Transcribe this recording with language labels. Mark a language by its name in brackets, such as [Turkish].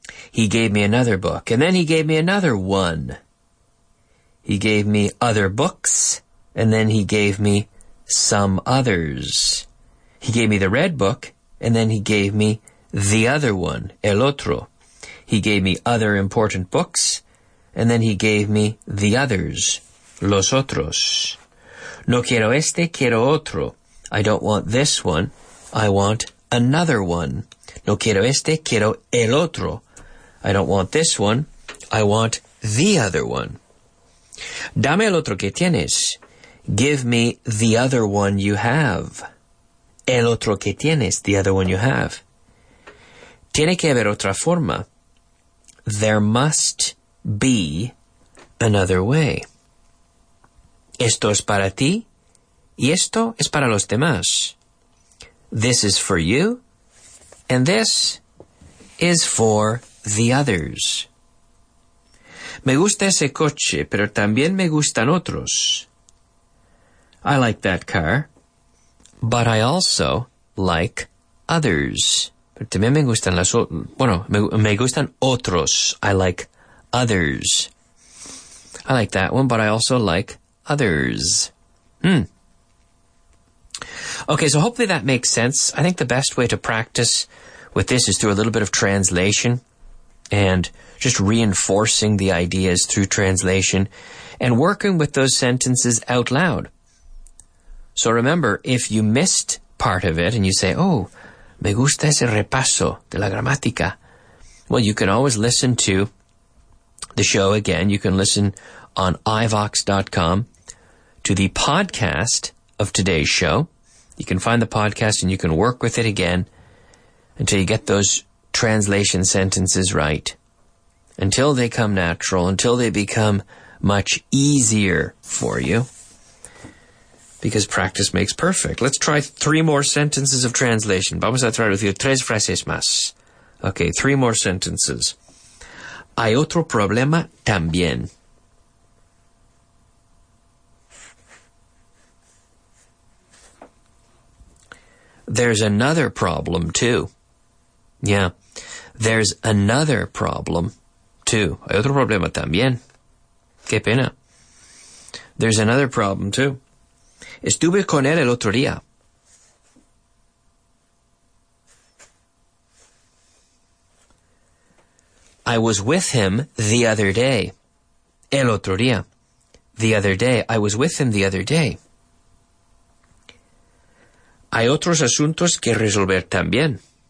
[English] He gave me another book. And then he gave me another one. He gave me other books. And then he gave me some others. He gave me the red book. And then he gave me the other one, [Spanish] el otro. [English] He gave me other important books. And then he gave me the others, [Spanish] los otros. No quiero este, quiero otro. [English] I don't want this one. I want another one. [Spanish] No quiero este, quiero el otro. [English] I don't want this one. I want the other one. [Spanish] Dame el otro que tienes. [English] Give me the other one you have. [Spanish] El otro que tienes, [English] the other one you have. [Spanish] Tiene que haber otra forma. [English] There must be another way. [Spanish] Esto es para ti, y esto es para los demás. [English] This is for you, and this is for the others. [Spanish] Me gusta ese coche, pero también me gustan otros. [English] I like that car. But I also like others. [Spanish] Pero también me gustan las me gustan otros. [English] I like others. I like that one, but I also like others. Okay, so hopefully that makes sense. I think the best way to practice with this is through a little bit of translation and just reinforcing the ideas through translation and working with those sentences out loud. So remember, if you missed part of it and you say, oh, [Spanish] me gusta ese repaso de la gramática. [English] Well, you can always listen to the show again. You can listen on iVox.com to the podcast of today's show. You can find the podcast and you can work with it again until you get those translation sentences right. Until they come natural, until they become much easier for you. Because practice makes perfect. Let's try three more sentences of translation. [Spanish] Vamos a tratar [English] with you [Spanish] tres frases más. [English] Okay, three more sentences. [Spanish] Hay otro problema también. There's another problem too. Yeah, there's another problem too. Hay otro problema también. Qué pena. [English] There's another problem too. [Spanish] Estuve con él el otro día. [English] I was with him the other day. [Spanish] El otro día. [English] The other day. I was with him the other day. [Spanish] Hay otros asuntos que resolver también.